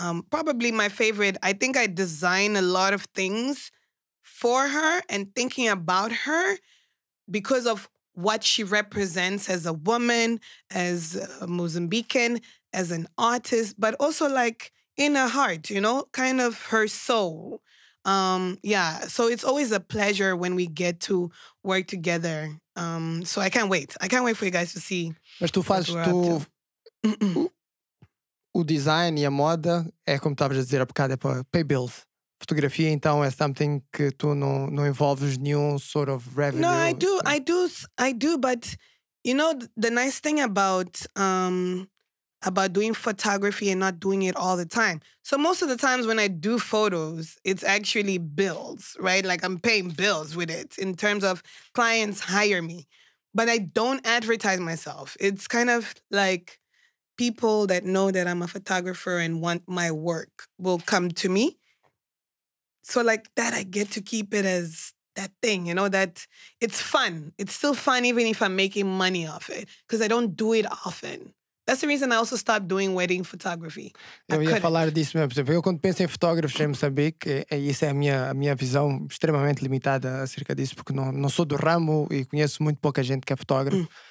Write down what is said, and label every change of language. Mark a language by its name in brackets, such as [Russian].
[English] Probably my favorite. I think I design a lot of things for her and thinking about her because of what she represents as a woman, as a Mozambican, as an artist, but also like in her heart, you know, kind of her soul. Yeah, so it's always a pleasure when we get to work together. So I can't wait. I can't wait for you guys to see. [Portuguese] Mas tu fazes tu... o design e a moda é como estavas a dizer há bocado, é para [English] pay bills. [Portuguese] Fotografia, então, é [English] something [Portuguese] que tu não envolves nenhum [English] sort of revenue. No, I do, but you know, the nice thing about doing photography and not doing it all the time. So most of the times when I do photos, it's actually bills, right? Like I'm paying bills with it in terms of clients hire me. But I don't advertise myself. It's kind of like people that know that I'm a photographer and want my work will come to me. So like that, I get to keep it as that thing, you know, that it's fun. It's still fun even if I'm making money off it because I don't do it often. That's the reason I also stopped doing wedding photography. [Portuguese] Falar disso mesmo. Por exemplo, eu quando penso em fotógrafos em Moçambique, isso é a minha visão extremamente limitada acerca disso, porque não sou do ramo e conheço muito pouca gente que é fotógrafo.